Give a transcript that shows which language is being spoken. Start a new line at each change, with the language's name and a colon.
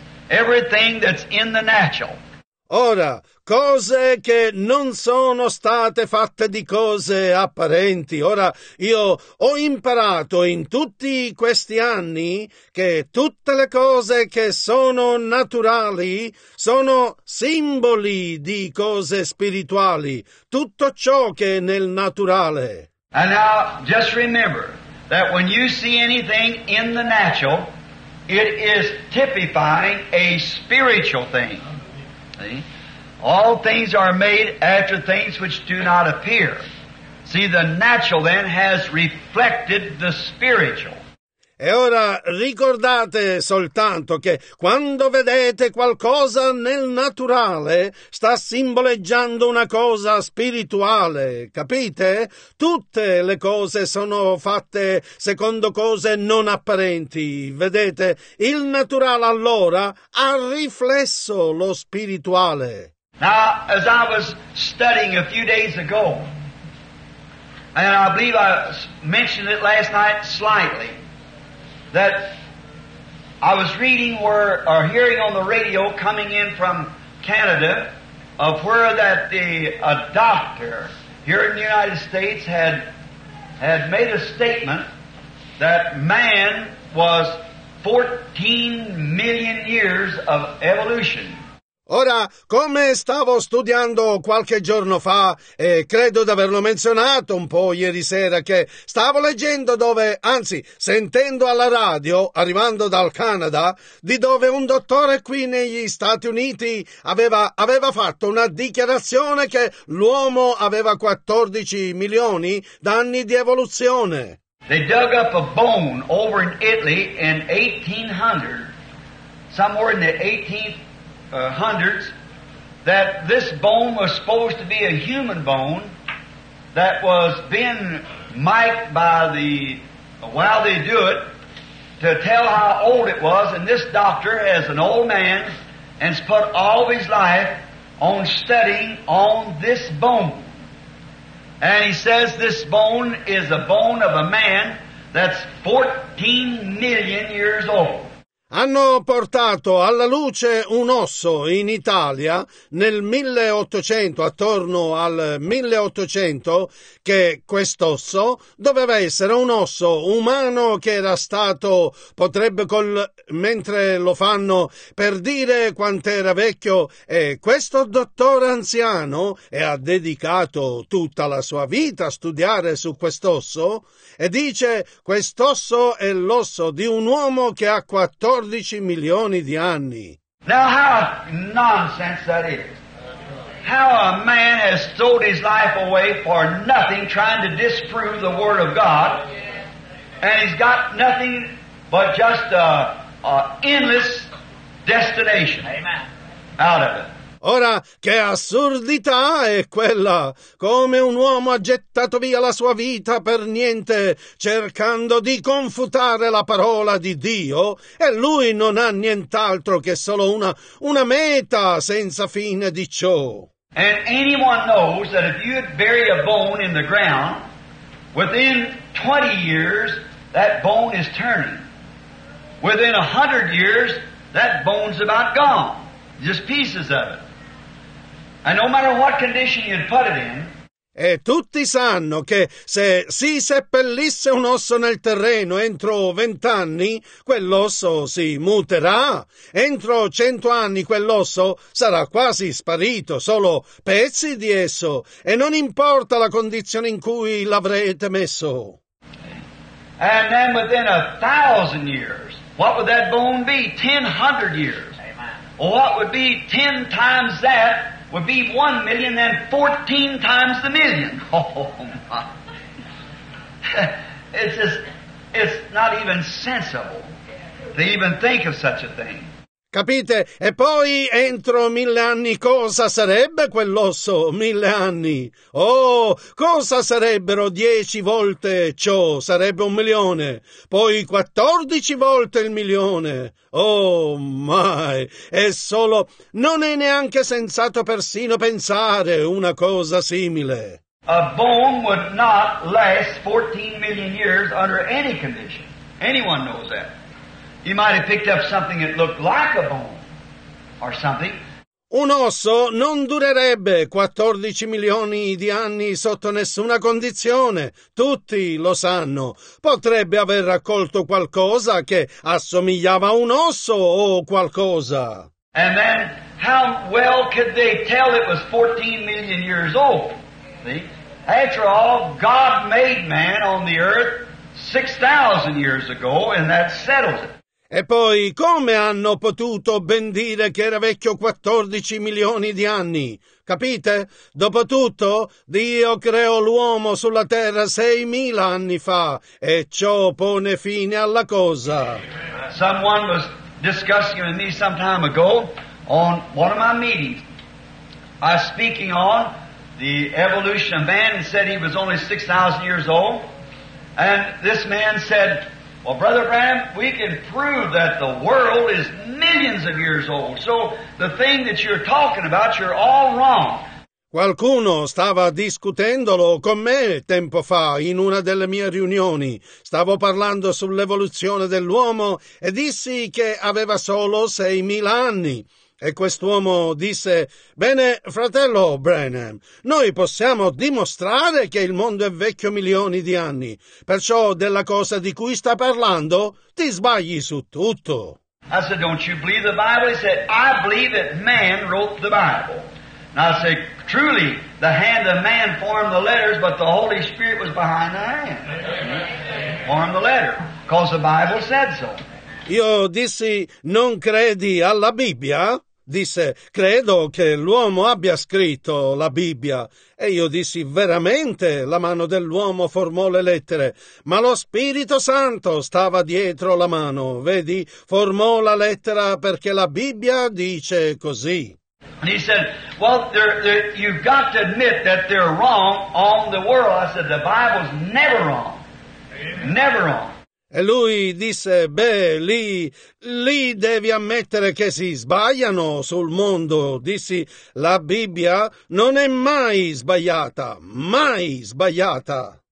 English: Everything that's in the natural.
Italian: Ora, cose che non sono state fatte di cose apparenti. Ora, io ho imparato in tutti questi anni che tutte le cose che sono naturali sono simboli di cose spirituali. Tutto ciò che è nel naturale.
English: And now, just remember that when you see anything in the natural, it is typifying a spiritual thing. See? All things are made after things which do not appear. See, the natural then has reflected the spiritual.
Italian: E ora ricordate soltanto che quando vedete qualcosa nel naturale sta simboleggiando una cosa spirituale, capite? Tutte le cose sono fatte secondo cose non apparenti, vedete? Il naturale allora ha riflesso lo spirituale.
English: Now, as I was studying a few days ago, and I believe I mentioned it last night slightly, that I was reading or hearing on the radio coming in from Canada of where that a doctor here in the United States had made a statement that man was 14 million years of evolution.
Italian: Ora, come stavo studiando qualche giorno fa, e credo di averlo menzionato un po' ieri sera, che stavo leggendo dove, anzi, sentendo alla radio, arrivando dal Canada, di dove un dottore qui negli Stati Uniti aveva fatto una dichiarazione che l'uomo aveva 14 milioni d'anni di evoluzione.
English: They dug up a bone over in Italy in 1800, somewhere in the 1800s, that this bone was supposed to be a human bone that was being miked by the, while they do it, to tell how old it was. And this doctor, as an old man, has put all of his life on studying on this bone. And he says this bone is a bone of a man that's 14 million years old.
Italian: Hanno portato alla luce un osso in Italia nel 1800, attorno al 1800, che quest'osso doveva essere un osso umano che era stato, potrebbe col, mentre lo fanno, per dire quant'era vecchio, e questo dottore anziano, e ha dedicato tutta la sua vita a studiare su quest'osso, e dice quest'osso è l'osso di un uomo che ha 14 milioni di anni.
English: Now how nonsense that is. How a man has sold his life away for nothing, trying to disprove the word of God, and he's got nothing but just a endless destination. Amen. Out of it.
Italian: Ora, che assurdità è quella! Come un uomo ha gettato via la sua vita per niente, cercando di confutare la parola di Dio, e lui non ha nient'altro che solo una meta senza fine di ciò.
English: And anyone knows that if you'd bury a bone in the ground, within 20 years, that bone is turning. Within 100 years, that bone's about gone. Just pieces of it. And no matter what condition you'd put it in.
Italian: E tutti sanno che se si seppellisse un osso nel terreno entro 20 anni, quell'osso si muterà. Entro 100 anni quell'osso sarà quasi sparito, solo pezzi di esso. E non importa la condizione in cui l'avrete messo.
English: And then within 1,000 years, what would that bone be? 1,000 years. Amen. What would be 10 times that? Would be 1 million, then 14 times the million. Oh my. It's just, it's not even sensible to even think of such a thing.
Italian: Capite? E poi entro 1,000 anni cosa sarebbe quell'osso? 1,000 anni. Oh, cosa sarebbero 10 volte ciò? Sarebbe 1 milione. Poi 14 volte il milione. Oh, mai. È solo, non è neanche sensato persino pensare una cosa simile.
English: A bone would not last 14 million years under any condition. Anyone knows that. You might have picked up something that looked like a bone or something.
Italian: Un osso non durerebbe 14 milioni di anni sotto nessuna condizione. Tutti lo sanno. Potrebbe aver raccolto qualcosa che assomigliava a un osso o qualcosa.
English: And then how well could they tell it was 14 million years old? See? After all, God made man on the earth 6,000 years ago, and that settles it.
Italian: E poi, come hanno potuto ben dire che era vecchio 14 milioni di anni? Capite? Dopotutto, Dio creò l'uomo sulla terra 6,000 anni fa, e ciò pone fine alla cosa.
English: Someone was discussing with me some time ago on one of my meetings. I was speaking on the evolution of man and said he was only 6,000 years old. And this man said, well, Brother Branham, we can prove that the world is millions of years old. So the thing that you're talking about, you're all wrong.
Italian: Qualcuno stava discutendolo con me tempo fa in una delle mie riunioni. Stavo parlando sull'evoluzione dell'uomo e dissi che aveva solo 6,000 anni. E quest'uomo disse, bene, fratello Branham, noi possiamo dimostrare che il mondo è vecchio milioni di anni, perciò della cosa di cui sta parlando ti sbagli su tutto.
English: I said, don't you believe the Bible? He said, I believe that man wrote the Bible. And I said, truly, the hand of man formed the letters, but the Holy Spirit was behind the hand. Formed the letter, because the Bible said so.
Italian: Io dissi, non credi alla Bibbia? Disse, credo che l'uomo abbia scritto la Bibbia. E io dissi, veramente la mano dell'uomo formò le lettere, ma lo Spirito Santo stava dietro la mano, vedi? Formò la lettera perché la Bibbia dice così.
English: And he said, well, you've got to admit that they're wrong on the world. I said, the Bible's never wrong. Never wrong.
Italian: E lui disse, beh, lì devi ammettere che si sbagliano sul mondo. Dissi, la Bibbia non è mai sbagliata, mai sbagliata.